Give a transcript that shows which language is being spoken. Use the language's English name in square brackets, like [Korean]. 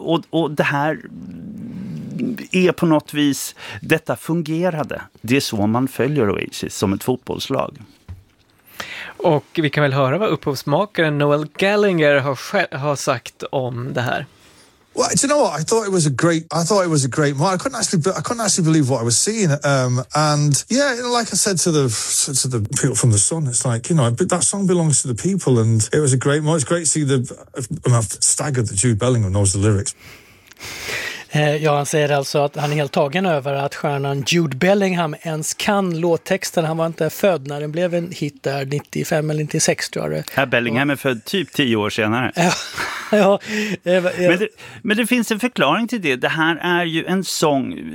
[Swedish] Och det här är på något vis, detta fungerade. Det är så man följer Oasis som ett fotbollslag. Och vi kan väl höra vad upphovsmakaren Noel Gallagher har sagt om det här. [English] Well, do you know what? I thought it was a great moment. I couldn't actually believe what I was seeing. And yeah, you know, like I said to the people from the Sun, it's like, you know, that song belongs to the people, and it was a great moment. It's great to see the, I mean, I've staggered that Jude Bellingham knows the lyrics. [Swedish] Ja, han säger alltså att han är helt tagen över att stjärnan Jude Bellingham ens kan låttexten. Han var inte född när den blev en hit där 95 eller 96, tror jag det. Herr Bellingham är född typ 10 år senare. Ja. Men det finns en förklaring till det. Det här är ju en sång.